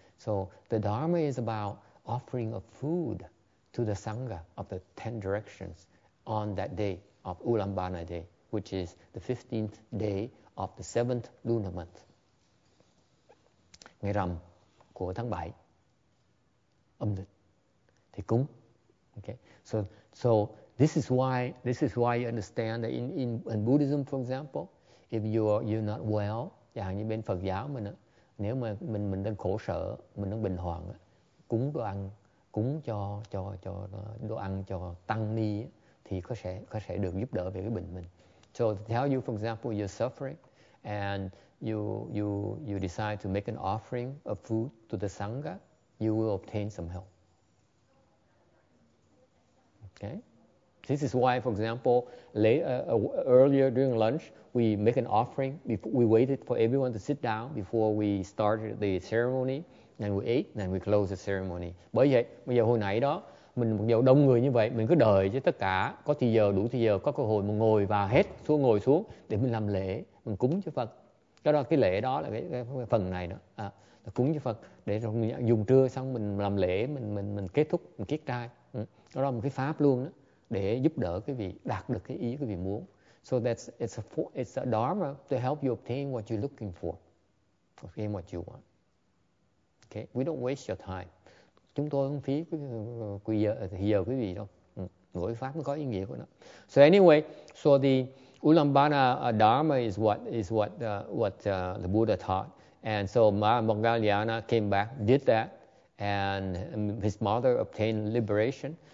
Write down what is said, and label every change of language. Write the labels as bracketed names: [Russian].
[English] So the Dharma is about offering of food to the Sangha of the 10 directions on that day of Ulambana day. which is the 15th day of the 7th lunar month. [Vietnamese] Ngày rằm của tháng 7 âm lịch thì cúng. Okay. [English] So this is why you understand that in Buddhism, for example, if you're not well, [Vietnamese] chẳng như bên Phật giáo mình, nếu mà mình đang khổ sở, mình đang bệnh hoạn, cúng cho đồ ăn cho tăng ni thì có sẽ được giúp đỡ về cái bệnh mình. [English] So to tell you, for example, you're suffering and you decide to make an offering of food to the Sangha, you will obtain some help. Okay? This is why, for example, earlier during lunch, we make an offering. We waited for everyone to sit down before we started the ceremony. Then we ate, then we closed the ceremony. [Vietnamese] Bởi vậy, bây giờ hồi nãy đó, mình mặc dù đông người như vậy, mình cứ đợi cho tất cả, có thì giờ, đủ thì giờ, có cơ hội, mình ngồi vào hết, xuống ngồi xuống, để mình làm lễ, mình cúng cho Phật. Cái đó, cái lễ đó là cái phần này đó. À, cúng cho Phật, để rồi dùng trưa xong, mình làm lễ, mình kết thúc, mình kiết trai. Đó là một cái pháp luôn đó. Để giúp đỡ cái vị đạt được cái ý cái vị muốn. [English] So that's it's a dharma to help you obtain what you're looking for, obtain what you want. Okay, we don't waste your time. [Vietnamese] Chúng tôi không phí giờ quý vị đâu. Mỗi pháp nó có ý nghĩa của nó. [English] So anyway, so the Ulambana dharma is what the Buddha taught, and so Mahamoggallana came back, did that, and his mother obtained liberation.